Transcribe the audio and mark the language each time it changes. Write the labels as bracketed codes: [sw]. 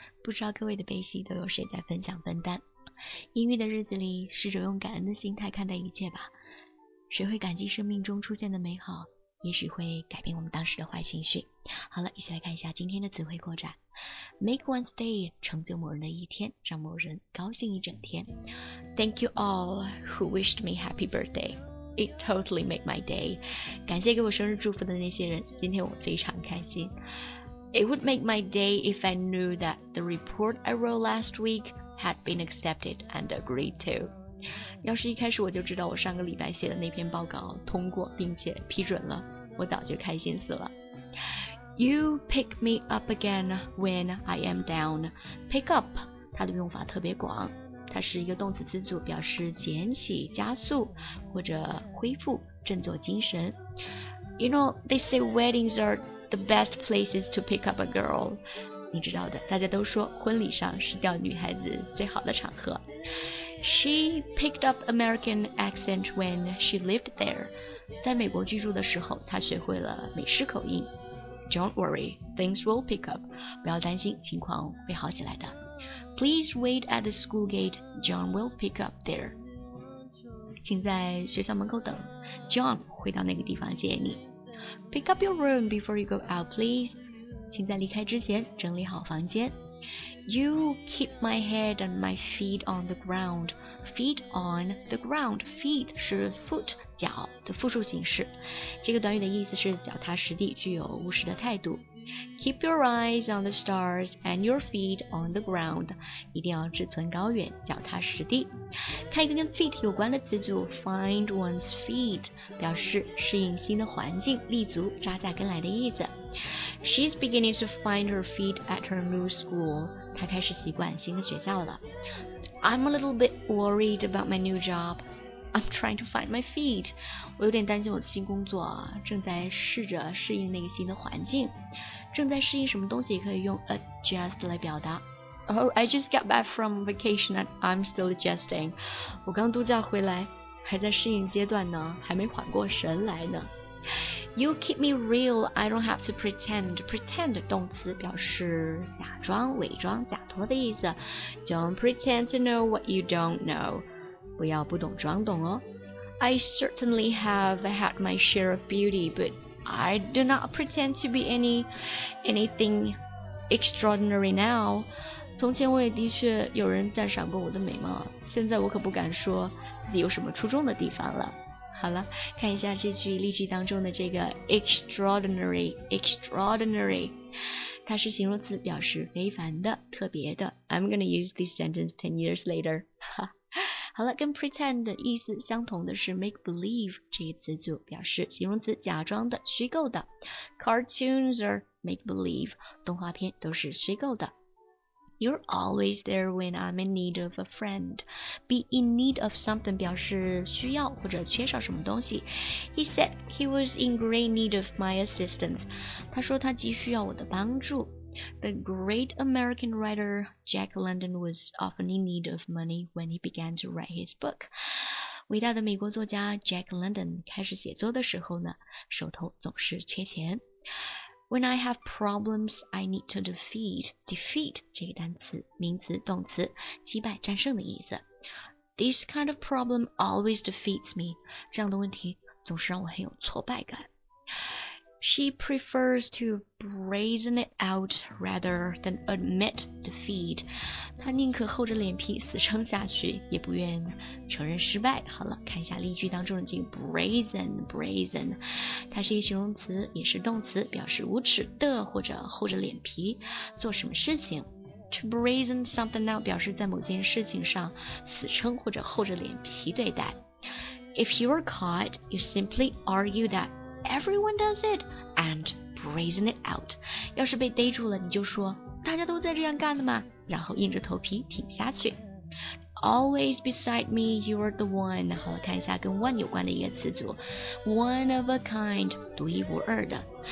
[zh] 不知道各位的悲喜都有谁在分享分担，阴郁的日子里试着用感恩的心态看待一切吧，学会感激生命中出现的美好，也许会改变我们当时的坏情绪。好了，一起来看一下今天的词汇扩展。 [en] Make one's day， [zh] 成就某人的一天，让某人高兴一整天。 [en] Thank you all who wished me happy birthday. It totally made my day. [zh] 感谢给我生日祝福的那些人，今天我非常开心。 [en] It would make my day if I knew that the report I wrote last week had been accepted and agreed to. [zh] 要是一开始我就知道我上个礼拜写的那篇报告通过并且批准了，我早就开心死了。 [en] You pick me up again when I am down. Pick up [zh] 它的用法特别广，它是一个动词词组，表示捡起、加速或者恢复、振作精神。 [en] You know, they say weddings are the best places to pick up a girl. [zh] 你知道的，大家都说婚礼上是钓女孩子最好的场合。 [en] She picked up American accent when she lived there. [zh] 在美国居住的时候，她学会了美式口音。 [en] Don't worry, things will pick up. [zh] 不要担心，情况会好起来的。 [en] Please wait at the school gate. John will pick up there. [zh] 请在学校门口等。John 会到那个地方接你。 [en] Pick up your room before you go out, please. [zh] 请在离开之前整理好房间。 [en] You keep my head and my feet on the ground. Feet on the ground. Feet 是 foot, [zh] 脚的复数形式。这个短语的意思是脚踏实地，具有务实的态度。 [en] Keep your eyes on the stars and your feet on the ground. [zh] 一定要志存高远，脚踏实地。看一个跟 feet 有关的词组 , [en] find one's feet, [zh] 表示适应新的环境，立足，扎下根来的意思。 [en] She's beginning to find her feet at her new school. [zh] 她开始习惯新的学校了。 [en] I'm a little bit worried about my new job. I'm trying to find my feet. [zh] 我有点担心我的新工作，正在试着适应那个新的环境。正在适应什么东西也可以用 adjust 来表达。 [en] Oh, I just got back from vacation and I'm still adjusting. [zh] 我刚度假回来，还在适应阶段呢，还没缓过神来呢。 [en] You keep me real, I don't have to pretend. [zh] Pretend 动词表示假装、伪装、假托的意思。 [en] Don't pretend to know what you don't know. [zh] 不要不懂装懂哦。 [en] I certainly have had my share of beauty, but I do not pretend to be anything extraordinary now. [zh] 从前我也的确有人赞赏过我的美貌，现在我可不敢说自己有什么出众的地方了。好了，看一下这句例句当中的这个 extraordinary， 它是形容词，表示非凡的、特别的。 [en] I'm gonna use this sentence 10 years later. [zh] 好了，跟 pretend 的意思相同的是 make believe 这个词组，表示形容词，假装的、虚构的。 [en] Cartoons are make believe， [zh] 动画片都是虚构的。 [en] You're always there when I'm in need of a friend. Be in need of something [zh] 表示需要或者缺少什么东西。 [en] He said he was in great need of my assistance. [zh] 他说他急需要我的帮助。 [en] The great American writer Jack London was often in need of money when he began to write his book. [zh] 伟大的美国作家 Jack London 开始写作的时候呢，手头总是缺钱。 [en] When I have problems, I need to defeat. [zh] Defeat 这个单词，名词、动词，击败、战胜的意思。 [en] This kind of problem always defeats me. [zh] 这样的问题总是让我很有挫败感。 [en] She prefers to brazen it out rather than admit defeat. [zh] 她宁可厚着脸皮死撑下去，也不愿承认失败。好了，看一下例句当中的这个 brazen， 它是一个形容词，也是动词，表示无耻的或者厚着脸皮做什么事情。 [en] To brazen something out [zh] 表示在某件事情上死撑或者厚着脸皮对待。 [en] If you are caught, you simply argue that. Everyone does it and brazen it out. [zh] 要是被逮住了，你就说大家都在这样干的嘛，然后硬着头皮挺下去。 [en] Always beside me, you are the one. [zh] 好了，看一下跟 one 有关的一个词组 ，one of a kind， 独一无二的。